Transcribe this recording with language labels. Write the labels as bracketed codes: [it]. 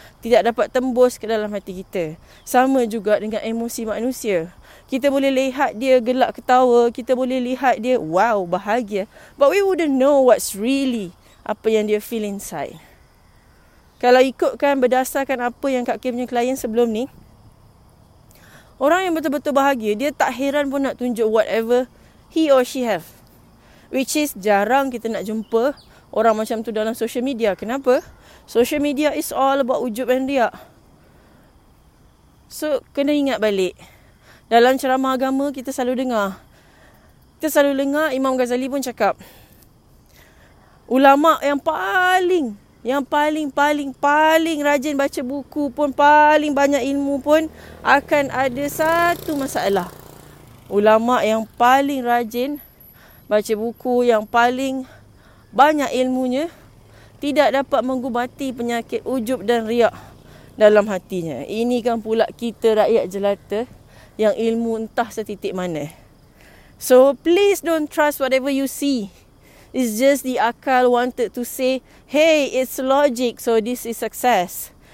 [ms] Tidak dapat tembus ke dalam hati kita. Sama juga dengan emosi manusia. Kita boleh lihat dia gelak ketawa. Kita boleh lihat dia, wow, bahagia. [en] But we wouldn't know what's really, [ms] apa yang dia [en] feel inside. [ms] Kalau ikutkan berdasarkan apa yang Kak K punya klien sebelum ni, orang yang betul-betul bahagia, dia tak heran pun nak tunjuk [en] whatever he or she have. Which is [ms] jarang kita nak jumpa orang macam tu dalam social media. Kenapa? [en] Social media is all about ujub and riak. [ms] So, kena ingat balik. Dalam ceramah agama, kita selalu dengar. Kita selalu dengar Imam Ghazali pun cakap, ulama' yang paling rajin baca buku pun, paling banyak ilmu pun, akan ada satu masalah. Ulama' yang paling rajin baca buku, yang paling banyak ilmunya, tidak dapat mengubati penyakit ujub dan riak dalam hatinya. Ini kan pula kita rakyat jelata yang ilmu entah setitik mana. [en] So please don't trust whatever you see. It's just the akal wanted to say, hey, it's logic, so this is success.